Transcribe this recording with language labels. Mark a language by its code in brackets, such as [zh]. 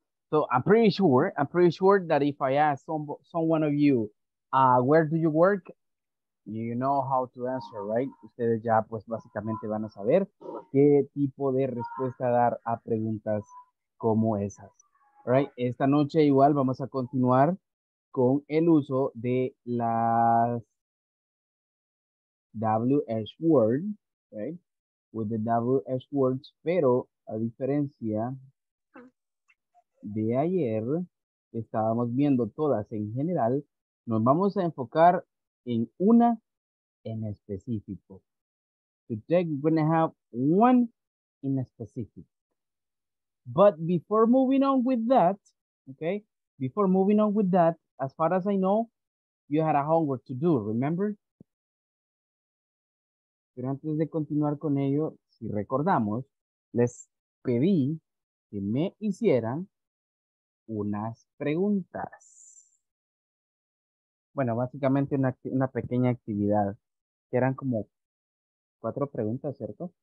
[en] So I'm pretty sure that if I ask someone of you, where do you work? You know how to answer, right? [es] Ustedes ya pues básicamente van a saber qué tipo de respuesta dar a preguntas como esas, right? Esta noche igual vamos a continuar con el uso de las WH words, right? [en] With the WH words, [es] pero a diferencia de ayer, estábamos viendo todas en general, nos vamos a enfocar en una en específico. [en] Today we're going to have one in a specific. But before moving on with that, okay, before moving on with that, as far as I know, you had a homework to do, remember? [es] Pero antes de continuar con ello, si recordamos, les pedí que me hicieran unas preguntas. Bueno, básicamente una pequeña actividad, que eran como cuatro preguntas, ¿cierto?